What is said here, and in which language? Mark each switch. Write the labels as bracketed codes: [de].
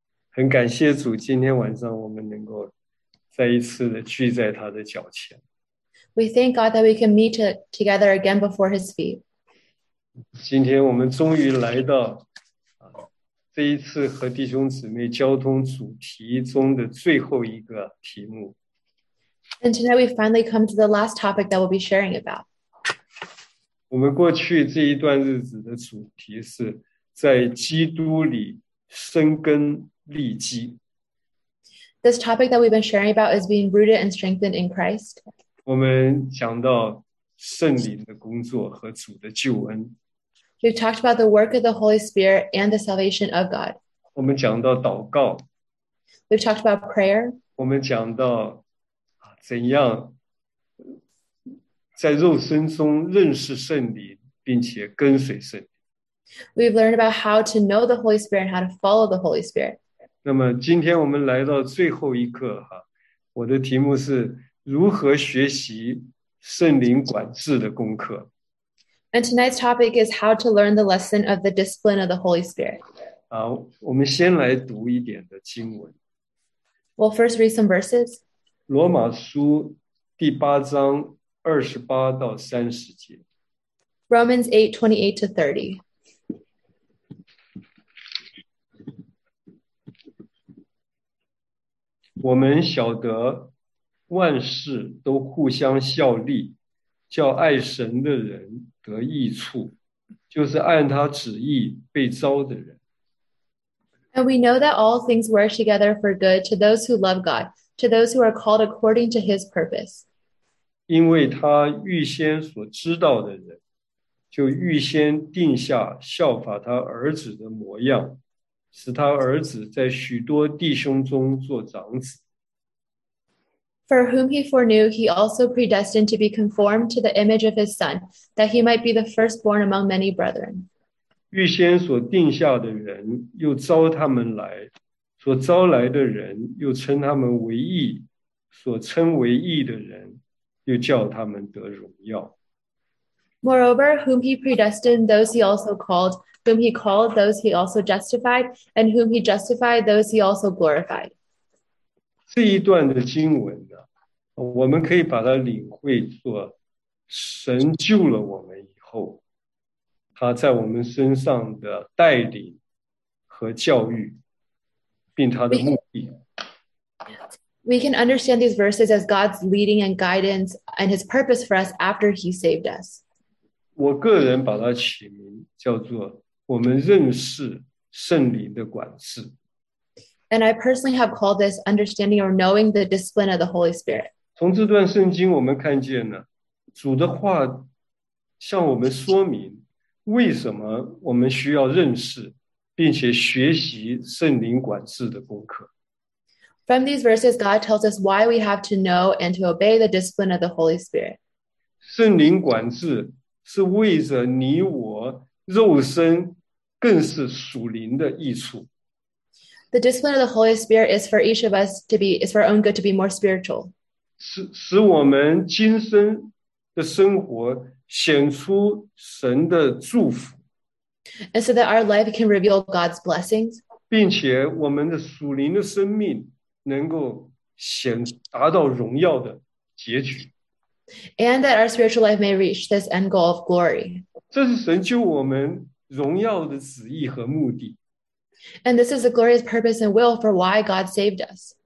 [zh] 很感谢主，今天晚上我们能够再一次的聚在他的脚前， [en] We thank God that we can meet together again before His feet. [zh] 今天我们终于来到这一次和弟兄姊妹交通主题中的最后一个题目。 [en] And tonight we finally come to the last topic that we'll be sharing about. [zh] 我们过去这一段日子的主题是在基督里生根立基。 [en] This topic that we've been sharing about is being rooted and strengthened in Christ. [zh] 我们讲到圣灵的工作和主的救恩， [en] We've talked about the work of the Holy Spirit and the salvation of God. [zh] 我们讲到祷告， [en] We've talked about prayer. [zh] 我们讲到怎样在肉身中认识圣灵，并且跟随圣灵。 [en] We've learned about how to know the Holy Spirit and how to follow the Holy Spirit. [zh] 那么今天我们来到最后一课我的题目是。如何学习圣灵管制的功课？ [en] And tonight's topic is how to learn the lesson of the discipline of the Holy Spirit. [zh] 我们先来读一点的经文。 [en] We'll first read some verses. [zh] 罗马书第八章二十八到三十节。 [en] Romans 8:28-30。 [zh] 我们晓得万事都互相效力，叫爱神的人得益处，就是按他旨意被召的人。 [en] And we know that all things work together for good to those who love God, to those who are called according to his purpose. [zh] 因为他预先所知道的人，就预先定下效法他儿子的模样，使他儿子在许多弟兄中做长子。 [en] For whom he foreknew, he also predestined to be conformed to the image of his son, that he might be the firstborn among many brethren. [zh] 预先所定下的人又招他们来，所招来的人又称他们为义，所称为义的人又叫他们得荣耀。 [en] Moreover, whom he predestined, those he also called; whom he called, those he also justified; and whom he justified, those he also glorified. [zh] 这一段的经文呢，我们可以把它领会作神救了我们以后，他在我们身上的带领和教育，并他的目的。 [en] We can understand these verses as God's leading and guidance and his purpose for us after he saved us. [zh] 我个人把它起名叫做我们认识圣灵的管制。 [en] And I personally have called this understanding or knowing the discipline of the Holy Spirit. [zh] 从这段圣经我们看见呢，主的话向我们说明为什么我们需要认识并且学习圣灵管制的功课。 [en] From these verses, God tells us why we have to know and to obey the discipline of the Holy Spirit. [zh] 圣灵管制是为着你我肉身，更是属灵的益处。 [en] The discipline of the Holy Spirit is for each of us to be, is for our own good to be more spiritual. [zh] 使我们今生的生活显出神的祝福。 [en] And so that our life can reveal God's blessings. [zh] 并且我们的属灵的生命能够显达到荣耀的结局。 [en] And that our spiritual life may reach this end goal of glory. [zh] 这是神救我们荣耀的旨意和目的。 [en] And this is the glorious purpose and will for why God saved us.